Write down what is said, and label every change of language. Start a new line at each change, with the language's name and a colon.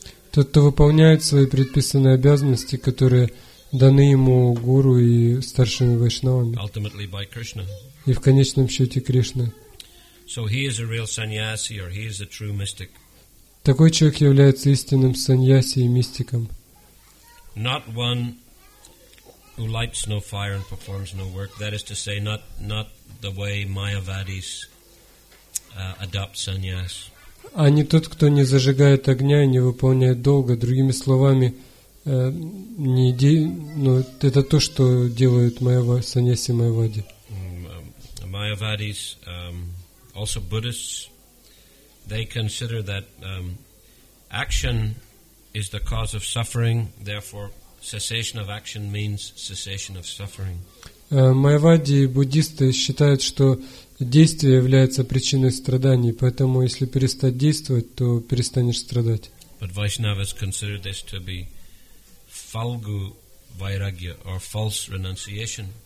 Russian: Тот, кто выполняет свои предписанные обязанности, которые даны ему гуру и старшими вайшнавами.
English: Ultimately by Krishna.
Russian: И в конечном счете Кришна.
English: So he is a real sannyasi or he is a true mystic.
Russian: Такой человек является истинным саньяси и мистиком.
English: Not one who lights no fire and performs no work. That is to say, not the way Mayavadis adopt sannyas.
Russian: А не тот, кто не зажигает огня и не выполняет долга. Другими словами, это то, что делают саньяси Майавади.
English: Mayavadis, also Buddhists, they consider that action is the cause of suffering, therefore cessation of action means cessation of suffering.
Russian: Майавади и буддисты считают, что действие является причиной страданий, поэтому если перестать действовать, то перестанешь страдать.
English: But Vaishnavas consider this to be falgu vairagya or false renunciation.